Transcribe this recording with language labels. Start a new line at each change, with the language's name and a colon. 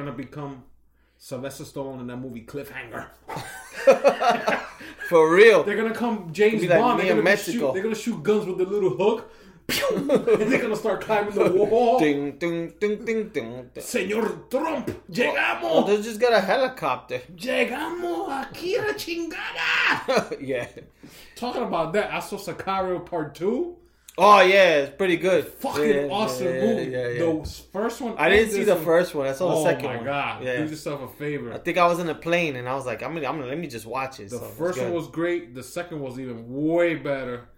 English: are going to become Sylvester Stallone in that movie Cliffhanger. For real. They're going to come James Bond. Like they're going to shoot guns with the little hook. And they're going to start climbing the wall. Ding, ding, ding, ding, ding.
Spanish: Señor Trump, llegamos. Well,
English: they just got a helicopter.
Spanish: Llegamos aquí la chingada.
English: Yeah. Talking about that, I saw Sicario Part 2. Oh, yeah. It's pretty good. Awesome movie. Yeah. The first one. I didn't see the first one. I saw the second one. Oh, my God. Yeah. Do yourself a favor. I think I was in a plane, and I was like, let me just watch it. The first one was great. The second was even way better.